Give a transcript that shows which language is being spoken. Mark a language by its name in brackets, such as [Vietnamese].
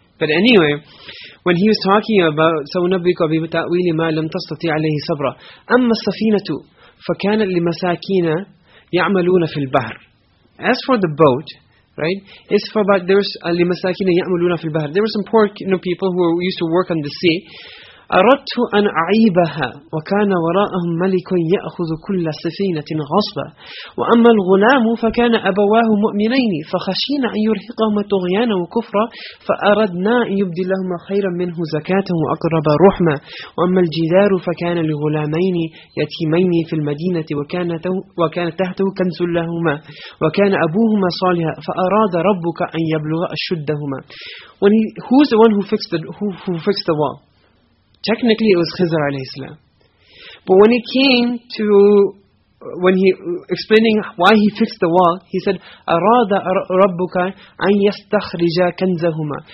[English] But anyway, when he was talking about [Arabic] سَوْنَبِّكَ بِبِتَأْوِيلِ مَا لَمْ تَسْتَطِعْ عَلَيْهِ صَبْرًا أَمَّا السَّفِينَةُ فَكَانَتْ لِمَسَاكِينَ يَعْمَلُونَ فِي الْبَحْرِ. [English] As for the boat, right, it's for about, there was [Arabic] لِمَسَاكِينَ يَعْمَلُونَ فِي الْبَحْرِ, [English] there were some poor, you know, people who used to work on the sea. [Arabic] أردت أن أعيبها وكان وراءهم ملك يأخذ كل سفينة غصبا وأما الغلام فكان أبواه مؤمنين فخشينا أن يرهقهما طغيانا وكفرا فأردنا أن يبدلهما خيرا منه زكاة وأقرب رحما وأما الجدار فكان لغلامين يتيمين في المدينة وكان تحته كنز لهما وكان أبوهما صالحا فأراد ربك أن يبلغ أشدهما. [English] Who's the one who fixed the wall? Technically, it was Khizr alayhi salam. But when he came to, when he explaining why he fixed the wall, he said, [Arabic] أَرَادَ رَبُّكَ أَنْ يَسْتَخْرِجَ كَنْزَهُمَا.